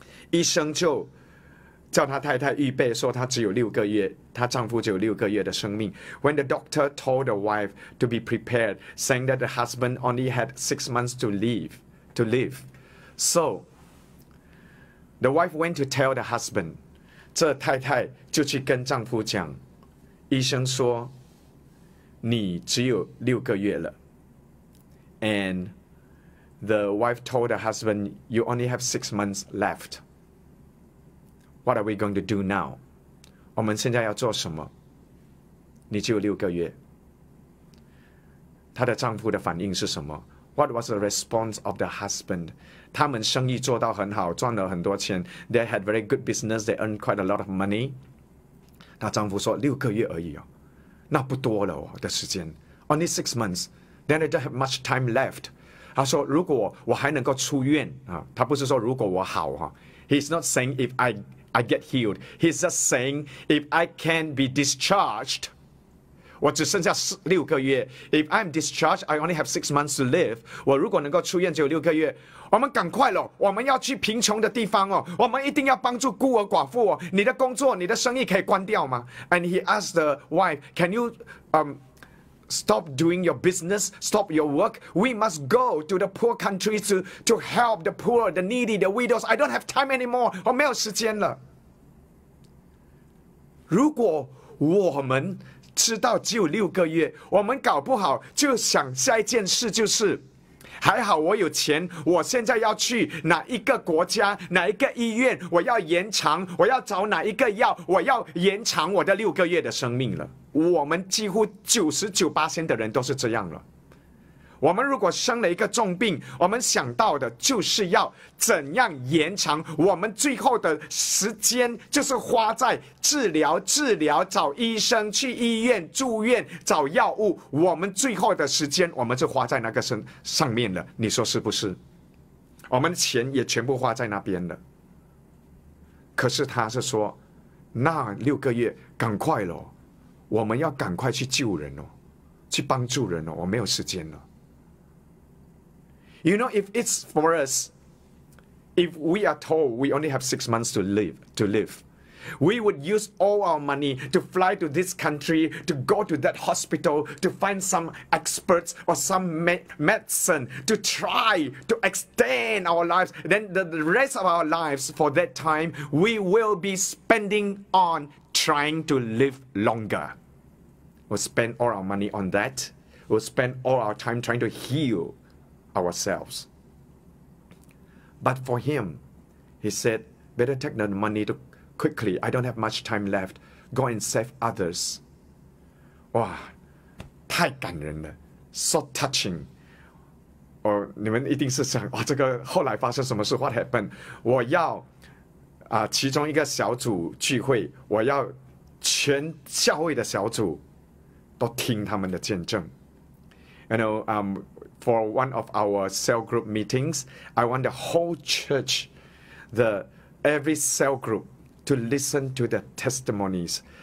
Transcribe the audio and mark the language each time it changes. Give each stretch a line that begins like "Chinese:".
Chinese: 医生就叫他太太预备，说他只有六个月，他丈夫只有六个月的生命。
English: When the doctor told the wife to be prepared, saying that the husband only had 6 months to live. So, the wife went to tell the husband.
Chinese: 这太太就去跟丈夫讲，医生说，你只有六个月了。
English: And the wife told the husband, you only have 6 months left. What are we going to do now?
Chinese: 我们现在要做什么？你只有六个月。她的丈夫的反应是什么？
English: What was the response of the husband?
Chinese: 他们生意做到很好，赚了很多钱。
English: They had very good business. They earned quite a lot of money.
Chinese: 她丈夫说，六个月而已哦，那不多了哦的时间。
English: Only 6 months. Then they don't have much time left.
Chinese: 她说，如果我还能够出院啊，她不是说如果我好哈。
English: He's not saying if I get healed. He's just saying, if I can be discharged,
Chinese: 我只剩下六个月。
English: If I'm discharged, I only have 6 months to live.
Chinese: 我如果能够出院只有六个月，我们赶快了，我们要去贫穷的地方哦，我们一定要帮助孤儿寡妇哦。你的工作，你的生意可以关掉吗？
English: And he asked the wife, can you stop doing your business, stop your work? We must go to the poor countries to help the poor, the needy, the widows. I don't have time anymore.
Chinese: 我没有时间了。如果我们知道只有六个月，我们搞不好就想下一件事就是，还好我有钱，我现在要去哪一个国家，哪一个医院，我要延长，我要找哪一个药，我要延长我的六个月的生命了。我们几乎99%的人都是这样了。我们如果生了一个重病，我们想到的就是要怎样延长我们最后的时间，就是花在治疗，找医生，去医院住院，找药物。我们最后的时间，我们就花在那个上面了。你说是不是？我们钱也全部花在那边了。可是他是说，那六个月赶快了。我们要赶快去救人哦，去帮助人哦，我没有时间了。
English: You know, if it's for us, if we are told we only have 6 months to live, We would use all our money to fly to this country, to go to that hospital, to find some experts or some medicine to try to extend our lives. Then the rest of our lives for that time, we will be spending on trying to live longer. We'll spend all our money on that. We'll spend all our time trying to heal ourselves. But for him, he said, better take the money to quickly. I don't have much time left. Go and save others. Wow,
Chinese: 太感人了,
English: so touching.
Chinese: Or 你们一定是想, 哦, 这个后来发生什么事,
English: what happened?
Chinese: 我要, 啊, 其中一个小组聚会, 我要全教会的小组, 都听他们的见证.
English: You know, for one of our cell group meetings, I want the whole church, every cell group, to listen to the testimonies.